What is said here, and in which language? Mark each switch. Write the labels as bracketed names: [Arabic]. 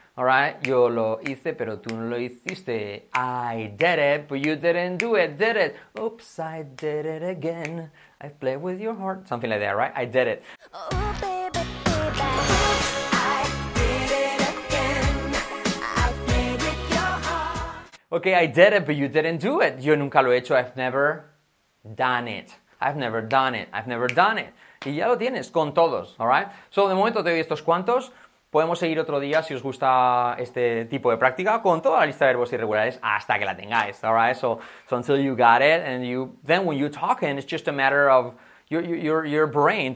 [Spanish] All right, yo lo hice, pero tú no lo hiciste. [English] I did it, but you didn't do it, did it. Oops, I did it again. I played with your heart. Something like that, right? I did it. Oh, baby, baby. Oops, I did it again. I played with your heart. Okay, I did it, but you didn't do it. [Spanish] Yo nunca lo he hecho. [English] I've never done it. I've never done it. I've never done it. [Spanish] Y ya lo tienes con todos, all right? So, de momento te doy estos cuantos. Podemos seguir otro día si os gusta este tipo de práctica con toda la lista de verbos irregulares hasta que la tengáis, all right? [English] So until you got it, and you then when you're talking, it's just a matter of your brain.